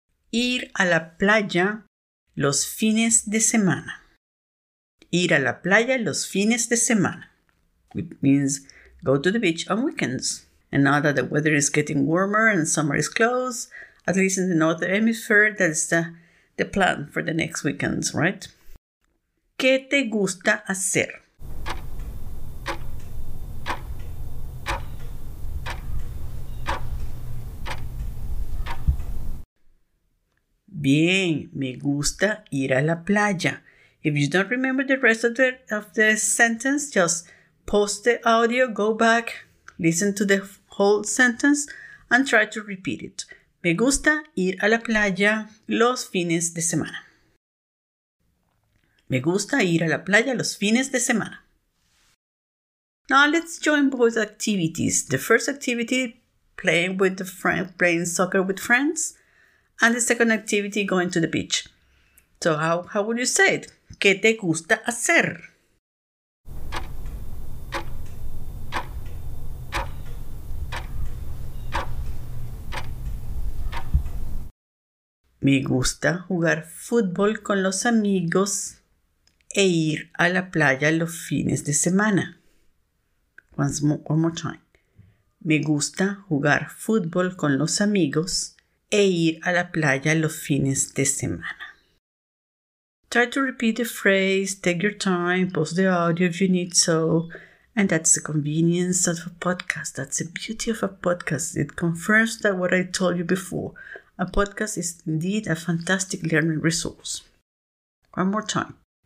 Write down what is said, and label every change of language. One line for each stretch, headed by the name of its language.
Spanish: Ir a la playa los fines de semana. Ir a la playa los fines de semana.
English: It means go to the beach on weekends. And now that the weather is getting warmer and summer is close, at least in the northern hemisphere, that's the plan for the next weekends, right?
Spanish: ¿Qué te gusta hacer? Bien, me gusta ir a la playa.
English: If you don't remember the rest of the sentence, just pause the audio, go back, listen to the whole sentence, and try to repeat it.
Spanish: Me gusta ir a la playa los fines de semana. Me gusta ir a la playa los fines de semana.
English: Now let's join both activities. The first activity, playing soccer with friends. And the second activity, going to the beach. So how would you say it?
Spanish: ¿Qué te gusta hacer? Me gusta jugar fútbol con los amigos e ir a la playa los fines de semana.
English: One more time.
Spanish: Me gusta jugar fútbol con los amigos e ir a la playa los fines de semana.
English: Try to repeat the phrase, take your time, pause the audio if you need so, And that's the convenience of a podcast. That's the beauty of a podcast. It confirms that what I told you before. A podcast is indeed a fantastic learning resource. One more time.